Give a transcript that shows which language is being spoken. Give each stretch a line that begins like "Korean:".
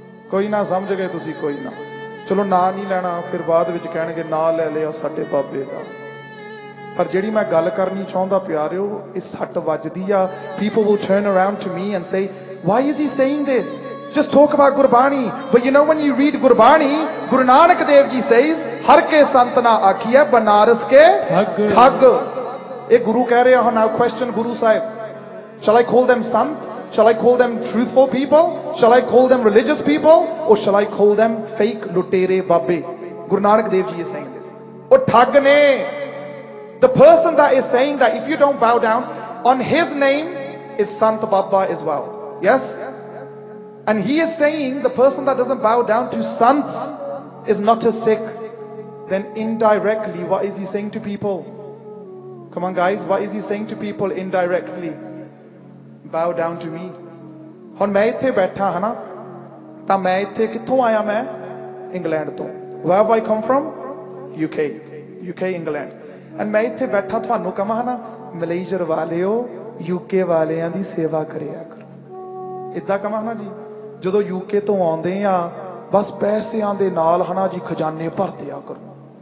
Punjabi: ਕੋਈ ਨਾ ਸਮਝ ਗਏ ਤੁਸੀਂ ਕੋਈ ਨਾ ਚਲੋ ਨਾ ਨਹੀਂ ਲੈਣਾ ਫਿਰ ਬਾਅਦ ਵਿੱਚ ਕਹਿਣਗੇ ਨਾ ਲੈ ਲਿਆ ਸਾਡੇ ਬਾਬੇ ਦਾ ਪਰ ਜਿਹੜੀ ਮੈਂ ਗੱਲ ਕਰਨੀ ਚਾਹੁੰਦਾ ਪਿਆਰਿਓ ਇਹ ਸੱਟ ਵੱਜਦੀ ਆ
English: people will turn around to me and say why is he saying this just talk about Gurbani but you know when you read Gurbani
Punjabi: Guru Nanak Dev ji says ਹਰ ਕੇ ਸੰਤ ਨਾ ਆਖੀਐ ਬਨਾਰਸ ਕੇ ਠੱਗ ਇਹ ਗੁਰੂ ਕਹਿ ਰਿਹਾ ਹੁਣ ਨਾ ਕੁਐਸਚਨ ਗੁਰੂ ਸਾਹਿਬ
English: Shall I call them sant Shall I call them truthful people? Shall I call them religious people? Or shall I call them fake
Punjabi: lutere babbe?
English: Guru Nanak Dev Ji is saying this.
Punjabi: O thag ne!
English: The person that is saying that if you don't bow down, on his name is Sant Baba as well. Yes? And he is saying the person that doesn't bow down to sons is not a Sikh. Then indirectly, what is he saying to people? Come on guys, what is he saying to people indirectly? Bow down to me.
Punjabi: ਹੁਣ ਮੈਂ ਇੱਥੇ ਬੈਠਾ ਹਾਂ ਨਾ ਤਾਂ ਮੈਂ ਇੱਥੇ ਕਿੱਥੋਂ ਆਇਆ ਮੈਂ ਇੰਗਲੈਂਡ ਤੋਂ
English: where have I come from UK
Punjabi: UK England and ਮੈਂ ਇੱਥੇ ਬੈਠਾ ਤੁਹਾਨੂੰ ਕਹਾਂ ਹਾਂ ਨਾ ਮਲੇਸ਼ੀਅਰ ਵਾਲਿਓ ਯੂਕੇ ਵਾਲਿਆਂ ਦੀ ਸੇਵਾ ਕਰਿਆ ਕਰੋ ਇੱਦਾਂ ਕਹਾਂ ਹਾਂ ਨਾ ਜੀ ਜਦੋਂ ਯੂਕੇ ਤੋਂ ਆਉਂਦੇ ਹਾਂ ਬਸ ਪੈਸਿਆਂ ਦੇ ਨਾਲ ਹੈ ਨਾ ਜੀ ਖਜ਼ਾਨੇ ਭਰ ਦਿਆ ਕਰੋ